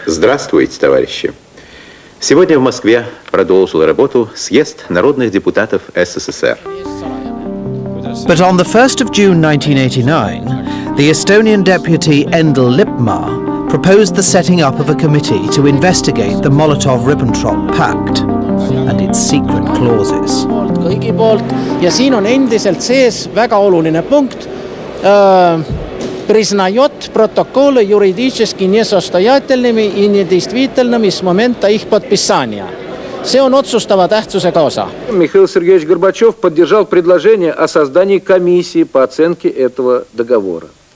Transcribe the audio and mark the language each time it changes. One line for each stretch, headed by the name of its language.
Russian: Здравствуйте, товарищи. Сегодня в Москве продолжил работу съезд народных депутатов СССР.
English: But on the 1st of June 1989, the Estonian deputy Endel Lippmaa proposed the setting up of a committee to investigate the Molotov-Ribbentrop Pact and its secret clauses.
Estonian: Ja siin on endiselt sees väga oluline punkt.
Russian: Признает протоколы юридически несостоятельными и недействительными с момента их подписания. Все он отсутствовал тахцусека оса. Михаил Сергеевич Горбачев поддержал предложение о создании комиссии по оценке этого договора.